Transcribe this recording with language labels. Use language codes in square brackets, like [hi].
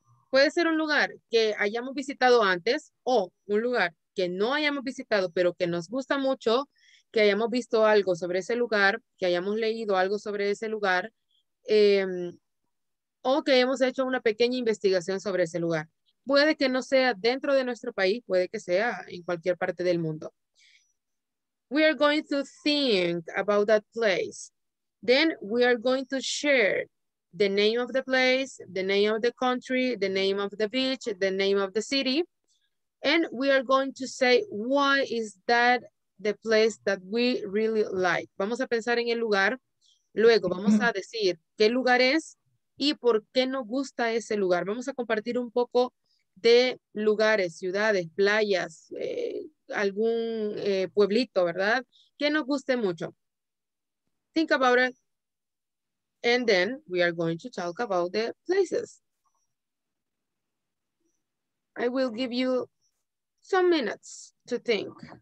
[es] Puede ser un lugar que hayamos visitado antes o un lugar que no hayamos visitado, pero que nos gusta mucho, que hayamos visto algo sobre ese lugar, que hayamos leído algo sobre ese lugar, o que hemos hecho una pequeña investigación sobre ese lugar. Puede que no sea dentro de nuestro país, puede que sea en cualquier parte del mundo. [en] We are going to think about that place. Then we are going to share the name of the place, the name of the country, the name of the beach, the name of the city. And we are going to say, why is that the place that we really like? [es] Vamos a pensar en el lugar. Luego vamos a decir qué lugar es y por qué nos gusta ese lugar. Vamos a compartir un poco de lugares, ciudades, playas, algún pueblito, ¿verdad? Que nos guste mucho. [en] Think about it. And then we are going to talk about the places. I will give you some minutes to think.